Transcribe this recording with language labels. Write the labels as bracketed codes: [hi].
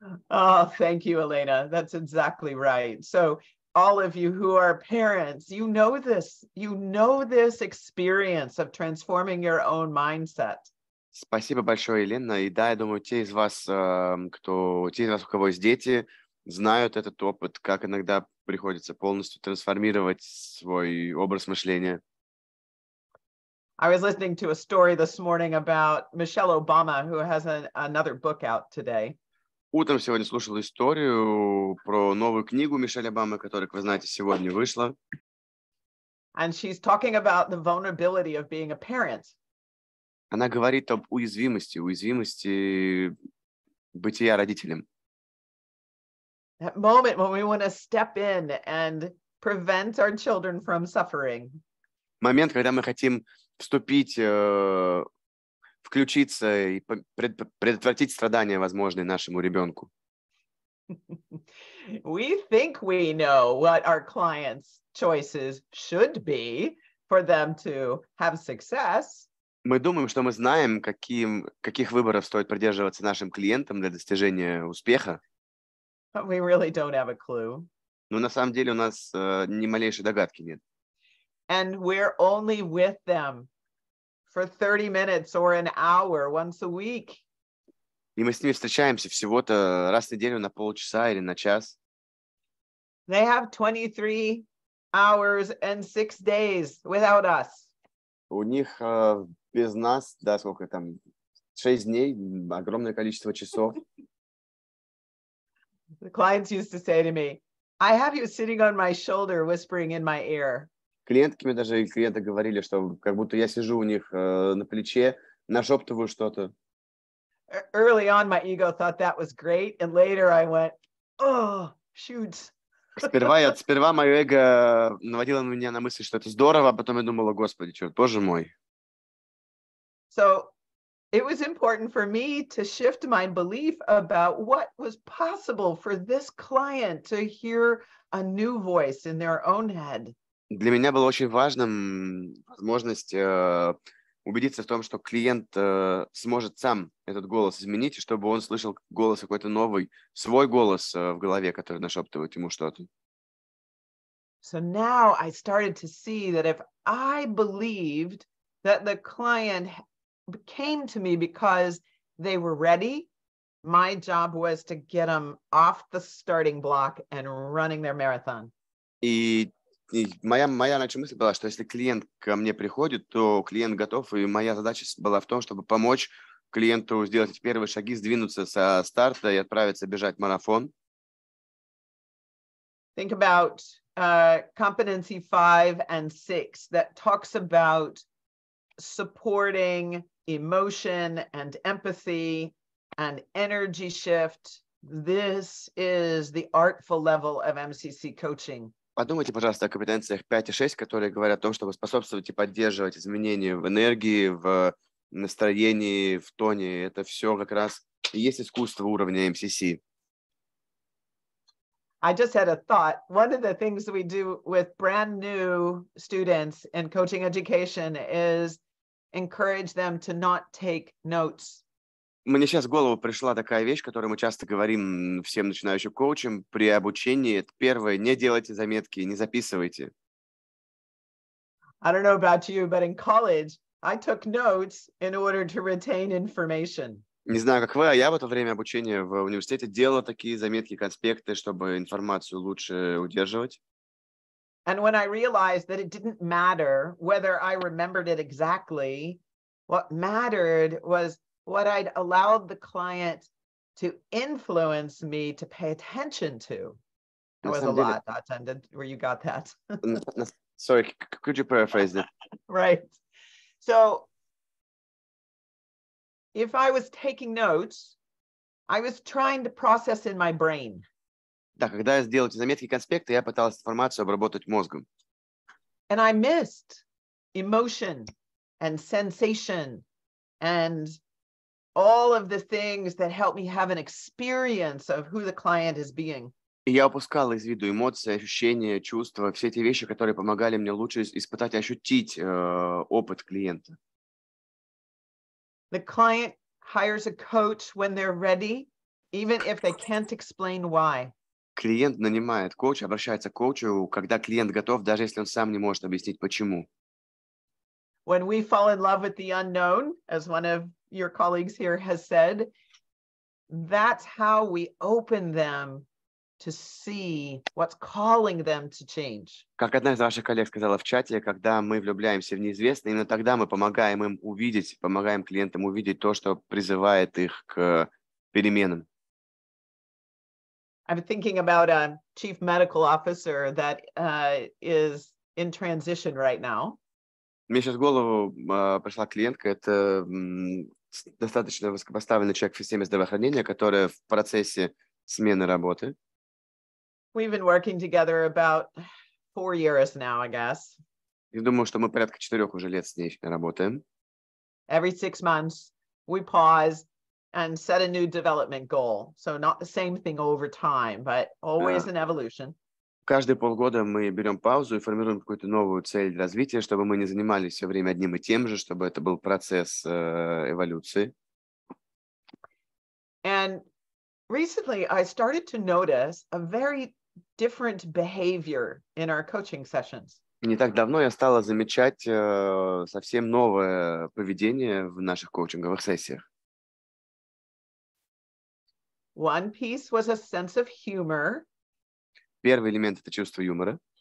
[en] Oh, thank you, Elena. That's exactly right. So, all of you who are parents, you know this experience of transforming your own mindset. [ru] Спасибо большое, Елена. И да, я думаю, те из вас, у кого есть дети, знают этот опыт, как иногда приходится полностью трансформировать свой образ мышления. [en] I was listening to a story this morning about Michelle Obama, who has another book out today. [ru] Утром сегодня слушал историю про новую книгу Мишель Обамы, которая, как вы знаете, сегодня вышла. [en] And she's talking about the vulnerability of being a parent. [ru] Она говорит об уязвимости бытия родителем. [en] That moment when we want to step in and prevent our children from suffering. [ru] Момент, когда мы хотим включиться и предотвратить страдания, возможные нашему ребенку. [en] We think we know what our clients' choices should be for them to have success. [ru] Мы думаем, что мы знаем, каких выборов стоит придерживаться нашим клиентам для достижения успеха. [en] But we really don't have a clue. [ru] Но на самом деле у нас ни малейшей догадки нет. [en] And we're only with them for 30 minutes or an hour once a week. [ru] И мы с ними встречаемся всего-то раз в неделю на полчаса или на час. [en] They have 23 hours and 6 days without us. [ru] У них без нас, да, сколько там, 6 дней, огромное количество часов. [en] The clients used to say to me, "I have you sitting on my shoulder whispering in my ear." [ru] Клиентки мне даже, клиенты говорили, что как будто я сижу у них на плече, нашептываю что-то. [en] Early on, my ego thought that was great, and later I went, "Oh, shoot." [ru] Сперва мое эго наводило меня на мысль, что это здорово, а потом я думала, господи, черт, боже мой. [en] So it was important for me to shift my belief about what was possible for this client to hear a new voice in their own head. [ru] Для меня было очень важным возможность убедиться в том, что клиент сможет сам этот голос изменить, и чтобы он слышал голос какой-то новый, свой голос в голове, который нашептывает ему что-то. [en] So now I started to see that if I believed that the client came to me because they were ready, my job was to get them off the starting block and running their marathon. [ru] И моя начала мысль была, что если клиент ко мне приходит, то клиент готов, и моя задача была в том, чтобы помочь клиенту сделать эти первые шаги, сдвинуться со старта и отправиться бежать марафон. [en] Think about competency 5 and 6 that talks about supporting emotion and empathy and energy shift. This is the artful level of MCC coaching. [ru] Подумайте, пожалуйста, о компетенциях 5 и 6, которые говорят о том, чтобы способствовать и поддерживать изменения в энергии, в настроении, в тоне. Это все как раз и есть искусство уровня MCC. [en] I just had a thought. One of the things we do with brand new students in coaching education is encourage them to not take notes. [ru] Мне сейчас в голову пришла такая вещь, которую мы часто говорим всем начинающим коучам при обучении. Первое, не делайте заметки, не записывайте. [en] I don't know about you, but in college I took notes in order to retain information. [ru] Не знаю, как вы, а я в это время обучения в университете делал такие заметки, конспекты, чтобы информацию лучше удерживать. [en] And when I realized that it didn't matter whether I remembered it exactly, what mattered was what I'd allowed the client to influence me to pay attention to. There was a lot that ended where you got that. Sorry, could you paraphrase that? Right. So if I was taking notes, I was trying to process in my brain. [ru] Да, когда я сделал эти заметки, конспекты, я пытался информацию обработать мозгом. [en] And I missed emotion and sensation and all of the things that help me have an experience of who the client is being. [ru] И я упускал из виду эмоции, ощущения, чувства, все эти вещи, которые помогали мне лучше испытать, ощутить опыт клиента. [en] The client hires a coach when they're ready, even if they can't explain why. [ru] Клиент нанимает коуча, обращается к коучу, когда клиент готов, даже если он сам не может объяснить, почему. [en] When we fall in love with the unknown, as one of your colleagues here has said, that's how we open them to see what's calling them to change. [ru] Как одна из ваших коллег сказала в чате, когда мы влюбляемся в неизвестное, именно тогда мы помогаем им увидеть, помогаем клиентам увидеть то, что призывает их к переменам. [en] I'm thinking about a chief medical officer that is in transition right now. [ru] Мне сейчас в голову пришла клиентка, это достаточно высокопоставленный человек в системе здравоохранения, который в процессе смены работы. [en] We've been working together about 4 years now, I guess. [ru] Я думаю, что мы порядка 4 уже лет с ней работаем. [en] Every 6 months we pause and set a new development goal. So not the same thing over time, but always an evolution. [ru] Каждые полгода мы берем паузу и формируем какую-то новую цель развития, чтобы мы не занимались все время одним и тем же, чтобы это был процесс эволюции. [en] And recently I started to notice a very different behavior in our coaching sessions. [ru] Не так давно я стала замечать совсем новое поведение в наших коучинговых сессиях. [en] One piece was a sense of humor. [ru] Первый элемент — это чувство юмора.